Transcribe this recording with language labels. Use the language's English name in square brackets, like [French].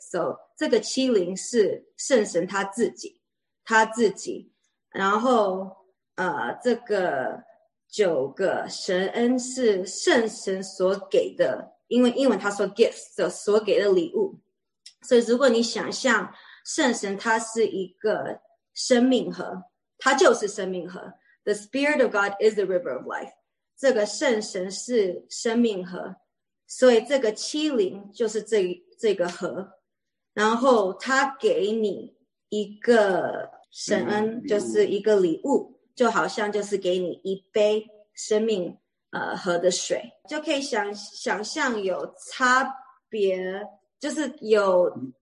[Chinese] So 这个七灵是圣神他自己，然后这个九个神恩是圣神所给的，因为英文他说 gifts 所给的礼物。所以如果你想象圣神他是一个生命河，他就是生命河。 [English] The Spirit of God is the river of life. [Chinese] 这个圣神是生命河，所以这个七灵就是这个河。然后他给你一个神恩，就是一个礼物，就好像就是给你一杯生命河的水，就可以想象有差别，就是有。